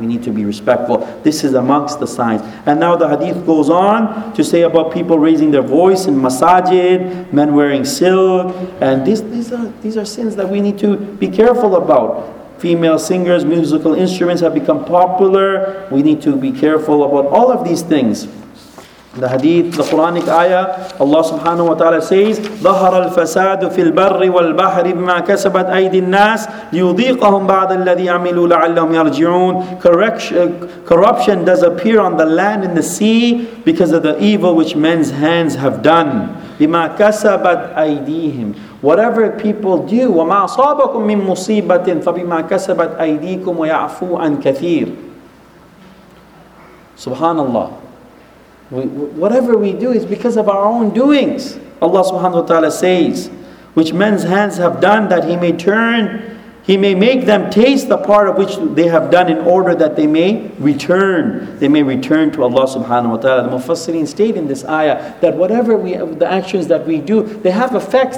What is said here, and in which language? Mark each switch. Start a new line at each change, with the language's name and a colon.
English: We need to be respectful. This is amongst the signs. And now the hadith goes on to say about people raising their voice in masajid, men wearing silk. And these are sins that we need to be careful about. Female singers, musical instruments have become popular. We need to be careful about all of these things. The hadith, the Quranic ayah, Allah subhanahu wa ta'ala says,
Arabic: ظَهَرَ الْفَسَادُ فِي الْبَرِّ وَالْبَحْرِ بِمَا كَسَبَتْ أَيْدِ النَّاسِ لِيُضِيقَهُمْ بَعْضَ الَّذِي عَمِلُوا لَعَلَّهُمْ يَرْجِعُونَ.
English: Corruption does appear on the land and the sea because of the evil which men's hands have done.
Arabic: بِمَا كَسَبَتْ أَيْدِيهِمْ.
English: Whatever people do,
Arabic: وَمَا أَصَابَكُم مِّن مُّصِيبَةٍ فَبِمَا كَسَبَتْ أَيْدِيكُمْ وَيَعْفُو عَن كَثِيرٍ. SubhanAllah.
English: Whatever we do is because of our own doings. Allah subhanahu wa ta'ala says, which men's hands have done that he may make them taste the part of which they have done in order that they may return. They may return to Allah subhanahu wa ta'ala. The Mufassirin state in this ayah that whatever the actions that we do, they have effects.